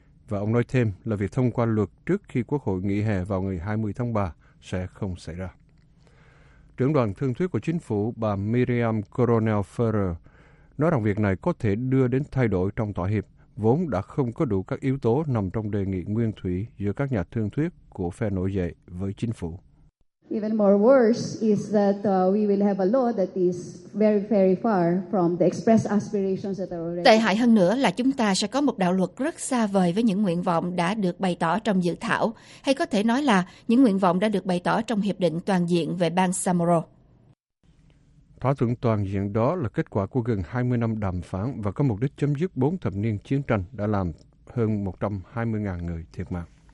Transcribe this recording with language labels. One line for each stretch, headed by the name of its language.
Vietnamese: Và ông nói thêm là việc thông qua luật trước khi Quốc hội nghỉ hè vào ngày 20 tháng 3 sẽ không xảy ra. Trưởng đoàn thương thuyết của chính phủ bà Miriam Coronel Ferrer nói rằng việc này có thể đưa đến thay đổi trong thỏa hiệp, vốn đã không có đủ các yếu tố nằm trong đề nghị nguyên thủy giữa các nhà thương thuyết của phe nổi dậy với chính phủ.
English: Even more worse is that we will have a law that is very, very far from the expressed aspirations that are already.
Vietnamese: Tệ hại hơn nữa là chúng ta sẽ có một đạo luật rất xa vời với những nguyện vọng đã được bày tỏ trong dự thảo, hay có thể nói là những nguyện vọng đã được bày tỏ trong hiệp định toàn diện về bang Samoro. Thỏa thuận toàn diện đó là kết quả của gần 20 năm đàm phán và có mục đích chấm dứt 4 thập niên chiến tranh đã làm hơn 120.000 người thiệt mạng.